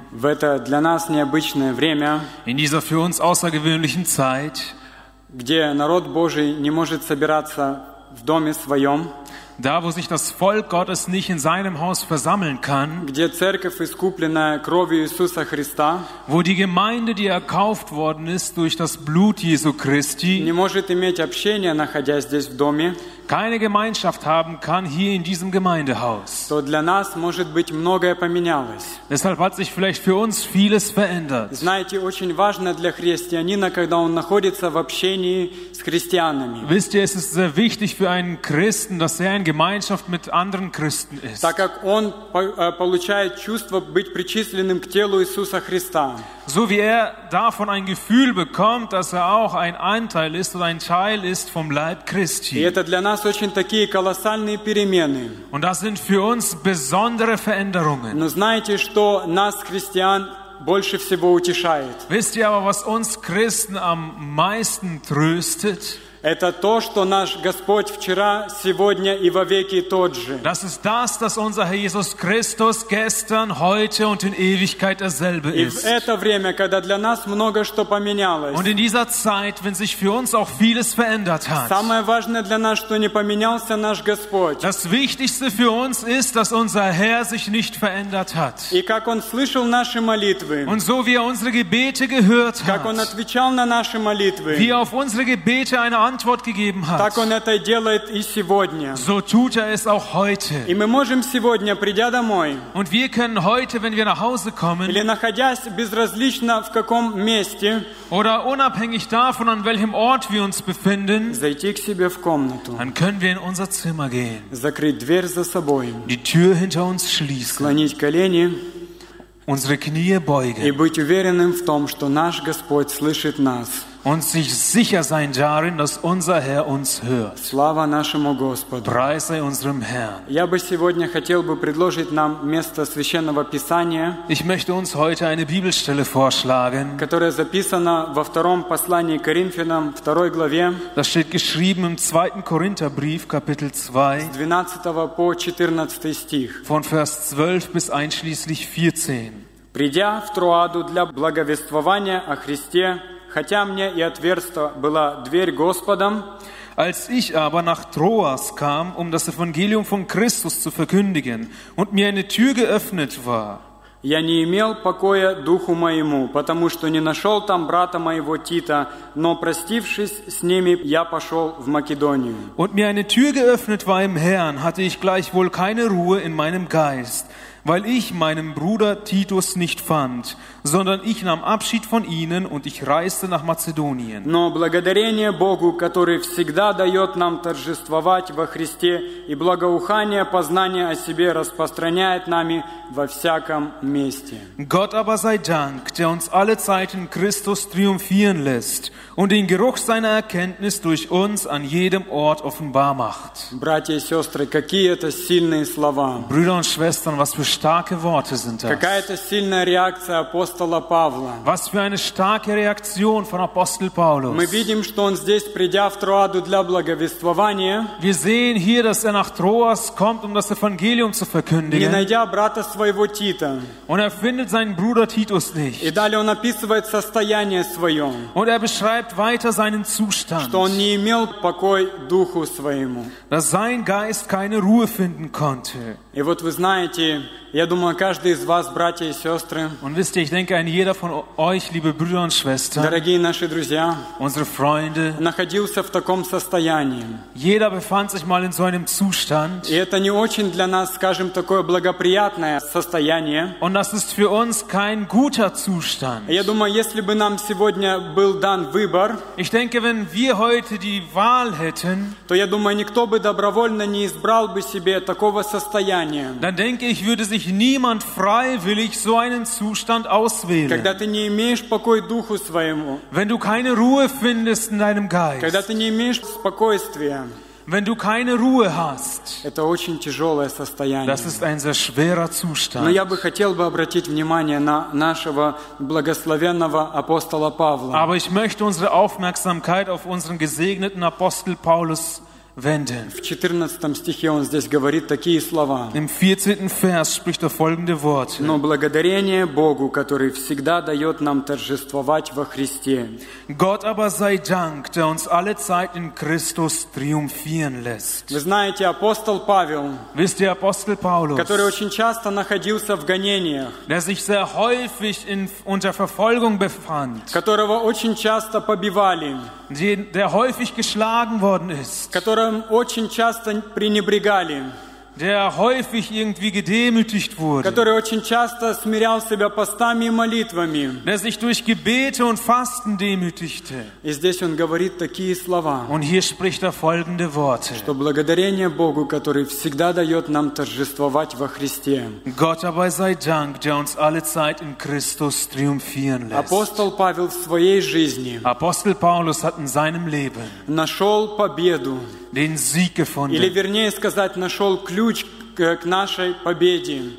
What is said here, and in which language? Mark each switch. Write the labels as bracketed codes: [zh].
[ru] в это для нас необычное время, [de] in dieser für uns außergewöhnlichen Zeit, [ru] где народ Божий не может собираться в доме своем, [de] da wo sich das Volk Gottes nicht in seinem Haus versammeln kann, [ru] где церковь искуплена кровью Иисуса Христа, [de] wo die Gemeinde, die erkauft worden ist durch das Blut Jesu Christi, [ru] не может иметь общения, находясь здесь в доме, [de] keine Gemeinschaft haben kann hier in diesem Gemeindehaus. [ru] То для нас может быть многое поменялось. [de] Deshalb hat sich vielleicht für uns vieles verändert. [ru] Знаете, очень важно для христианина, когда он находится в общении с христианами. [de] Wisst ihr, es ist sehr wichtig für einen Christen, dass er in Gemeinschaft mit anderen Christen ist. [ru] Так как он получает чувство быть причисленным к телу Иисуса Христа. [de] So wie er davon ein Gefühl bekommt, dass er auch ein Anteil ist oder ein Teil ist vom Leib Christi. [ru] Нас очень такие колоссальные перемены. [de] Und das sind für uns besondere Veränderungen. [ru] Но знаете, что нас христиан больше всего утешает? [de] Wisst ihr aber, was uns Christen am meisten tröstet? [ru] Это то, что наш Господь вчера, сегодня и вовеки тот же. [de] Das ist das, dass unser Herr Jesus Christus gestern, heute und in Ewigkeit derselbe ist. [ru] И в это время, когда для нас много что поменялось. [de] Und in dieser Zeit, wenn sich für uns auch vieles verändert hat. [ru] Самое важное для нас, что не поменялся наш Господь. [de] Das Wichtigste für uns ist, dass unser Herr sich nicht verändert hat. [ru] И как он слышал наши молитвы. [de] Und so wie er unsere Gebete gehört hat. [ru] Как он отвечал на наши молитвы. [de] Wie er auf unsere Gebete eine Antwort gegeben hat. [ru] Так он это делает и сегодня. [de] So tut er es auch heute. [ru] И мы можем сегодня, придя домой, [de] und wir können heute, wenn wir nach Hause kommen, [ru] или находясь безразлично в каком месте, [de] oder unabhängig davon, an welchem Ort wir uns befinden, [ru] зайти к себе в комнату, [de] dann können wir in unser Zimmer gehen, [ru] закрыть дверь за собой, [de] die Tür hinter uns schließen, [ru] склонить колени, [de] unsere Knie beugen, [ru] и быть уверенным в том, что наш Господь слышит нас. [de] Und sich sicher sein darin, dass unser Herr uns hört. [ru] Слава нашему Господу. [de] Preis sei unserem Herrn. [ru] Я бы сегодня хотел бы предложить нам место священного Писания. [de] Ich möchte uns heute eine Bibelstelle vorschlagen, [ru] которая записана во втором послании Коринфянам, второй главе. [de] Das steht geschrieben im zweiten Korintherbrief, Kapitel 2. [ru] С 12 по 14 стих. [de] Von Vers 12 bis einschließlich 14. [ru] Придя в Троаду для благовествования о Христе, хотя мне и отверста была дверь Господом, [de] Als ich aber nach Troas kam, um das Evangelium von Christus zu verkündigen, und mir eine Tür geöffnet war, [ru] я не имел покоя духу моему, потому что не нашел там брата моего Тита, но, простившись с ними, я пошел в Македонию. [de] Und mir eine Tür geöffnet war im Herrn, hatte ich gleichwohl keine Ruhe in meinem Geist, weil ich meinen Bruder Titus nicht fand, sondern ich nahm Abschied von ihnen und ich reiste nach Mazedonien. [ru] Но благодарение Богу, который всегда дает нам торжествовать во Христе, и благоухание познания о себе распространяет нами во всяком месте. [de] Gott aber sei Dank, der uns alle Zeit in Christus triumphieren lässt und den Geruch seiner Erkenntnis durch uns an jedem Ort offenbar macht. [ru] Братья и сестры, какие это сильные слова! [de] Brüder und Schwestern, was für starke Worte sind das! [ru] Какая это сильная реакция апостола Павла! [de] Was für eine starke Reaktion von Apostel Paulus! [ru] Мы видим, что он здесь, придя в Троаду для благовествования, [de] wir sehen hier, dass er nach Troas kommt, um das Evangelium zu verkündigen. [ru] Не найдя брата своего Тита. [de] Und er findet seinen Bruder Titus nicht. [ru] И далее он описывает состояние свое. [de] Und er beschreibt weiter seinen Zustand. [ru] Что он не имел покой духу своему. [de] Dass sein Geist keine Ruhe finden konnte. [ru] И вот вы знаете, я думаю, каждый из вас, братья и сестры, [de] und wisst ihr, ich denke, ein jeder von euch, liebe Brüder und Schwestern, [ru] дорогие наши друзья, [de] unsere Freunde, [ru] находился в таком состоянии. [de] Jeder befand sich mal in so einem Zustand. [ru] И это не очень для нас, скажем, такое благоприятное состояние. [de] Und das ist für uns kein guter Zustand. [ru] Я думаю, если бы нам сегодня был дан выбор, [de] ich denke, wenn wir heute die Wahl hätten, [ru] то я думаю, никто бы добровольно не избрал бы себе такого состояния. [de] Dann denke ich, würde sich niemand freiwillig so einen Zustand auswählen. [ru] Когда ты не имеешь покой духу своему, [de] wenn du keine Ruhe findest in deinem Geist, [ru] когда ты не имеешь спокойствия, [de] wenn du keine Ruhe hast, [ru] это очень тяжелое состояние. [de] Das ist ein sehr schwerer Zustand. [ru] Но я бы хотел бы обратить внимание на нашего благословенного апостола Павла. [de] Aber ich möchte unsere Aufmerksamkeit auf unseren gesegneten Apostel Paulus wenden. [ru] В 14 стихе он здесь говорит такие слова. [de] Im 14. Vers spricht folgende Worte. [ru] Но благодарение Богу, который всегда дает нам торжествовать во Христе. [de] Gott aber sei Dank, der uns alle Zeit in Christus triumphieren lässt. [ru] Вы знаете, апостол Павел, [de] wisst ihr, Apostel Paulus, [ru] который очень часто находился в гонениях, [de] der sich sehr häufig unter Verfolgung befand, [ru] которого очень часто побивали, [de] der häufig geschlagen worden ist, [ru] которым очень часто пренебрегали, [de] der häufig irgendwie gedemütigt wurde, [ru] который очень часто смирял себя постами и молитвами, [de] der sich durch Gebete und Fasten demütigte. [ru] И здесь он говорит такие слова. [de] Und hier spricht folgende Worte. [ru] Что благодарение Богу, который всегда дает нам торжествовать во Христе. [de] Gott aber sei Dank, der uns alle Zeit in Christus triumphieren lässt. [ru] Апостол Павел в своей жизни, [de] Apostel Paulus hat in seinem Leben, [ru] нашел победу, [de] den Sieg gefunden. [ru] Или вернее сказать, нашел ключ к нашей победе.